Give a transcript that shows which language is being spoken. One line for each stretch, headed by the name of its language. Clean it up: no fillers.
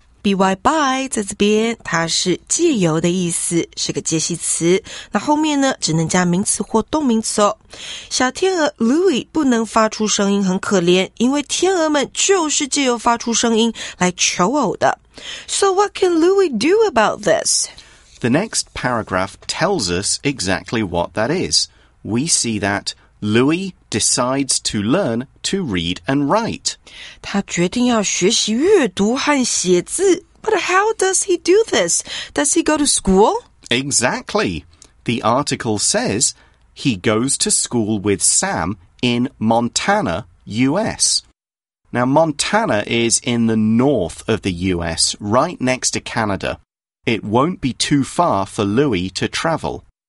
Chinese: By 在这边它是借由的意思是个介系词那后面呢只能加名词或动名词哦小天鹅 Louis 不能发出声音很可怜因为天鹅们就是借由发出声音来求偶的
English: So what can Louis do about this? The next paragraph tells us exactly what that is We see thatLouis decides to learn to read and write.
Chinese: 他决定要学习阅读和写字。
English: But how does he do this? Does he go to school? Exactly. The article says he goes to school with Sam in Montana, U.S. Now, Montana is in the north of the U.S., right next to Canada. It won't be too far for Louis to travel.